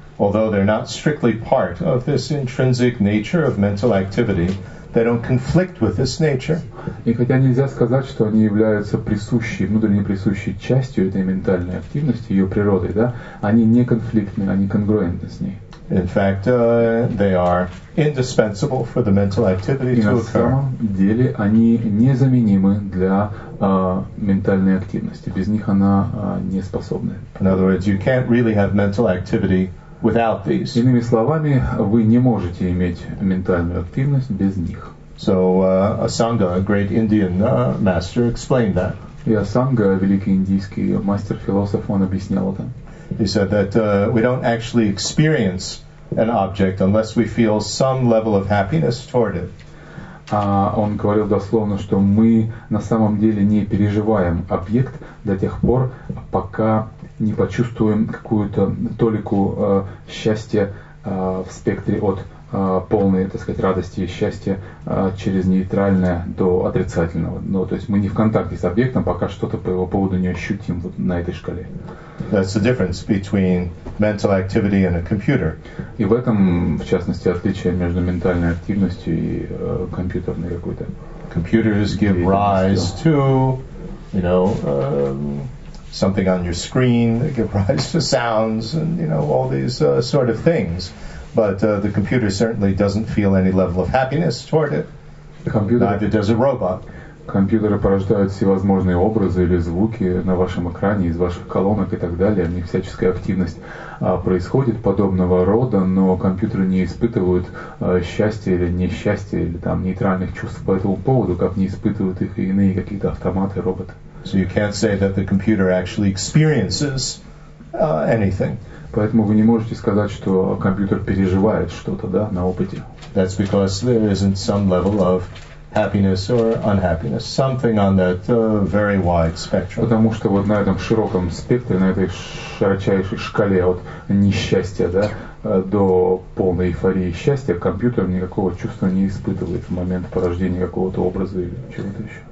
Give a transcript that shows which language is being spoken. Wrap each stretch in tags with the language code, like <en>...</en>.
<en>Although they're not strictly part of this intrinsic nature of mental activity, They don't conflict with this nature.</en> <ru>И хотя нельзя сказать, что они являются присущей, внутренне присущей частью этой ментальной активности, ее природой, да, они не конфликтны, они конгруентны с ней.</ru> <en>In fact, they are indispensable for the mental activity to occur.</en> <ru>И на самом деле они незаменимы для ментальной активности. Без них она не способна.</ru> <en>In other words, you can't really have mental activity without these.</en> <ru>Иными словами, вы не можете иметь ментальную активность без них.</ru> <en>So Asanga, a great Indian master, explained that.</en> <ru>И Асанга, великий индийский мастер-философ, он объяснял это.</ru> <en>He said that we don't actually experience an object unless we feel some level of happiness toward it.</en> <ru>Он говорил дословно, что мы на самом деле не переживаем объект до тех пор, пока не почувствуем какую-то толику счастья в спектре от полной, так сказать, радости и счастья через нейтральное до отрицательного. Ну, то есть мы не в контакте с объектом, пока что-то по его поводу не ощутим вот на этой шкале.</ru> <en>That's the difference between mental activity and a computer.</en> <ru>И в этом, в частности, отличие между ментальной активностью и компьютерной какой-то.</ru> <en>Computers give rise to, you know, something on your screen, they give rise to sounds and, you know, all these sort of things. But the computer certainly doesn't feel any level of happiness toward it. Computer. Neither does a robot.</en> <ru>Компьютеры порождают всевозможные образы или звуки на вашем экране, из ваших колонок и так далее. У них всяческая активность происходит подобного рода, но компьютеры не испытывают счастья или несчастья, или там нейтральных чувств по этому поводу, как не испытывают их и иные какие-то автоматы, роботы.</ru> <en>So you can't say that the computer actually experiences anything.</en> <ru>Поэтому вы не можете сказать, что компьютер переживает что-то, да, на опыте.</ru> <en>That's because there isn't some level of happiness or unhappiness, something on that very wide spectrum.</en> <ru>Потому что вот на этом широком спектре, на этой широчайшей шкале от несчастья, да, до полной эйфории счастья, компьютер никакого чувства не испытывает в момент порождения какого-то образа или чего-то еще.</ru>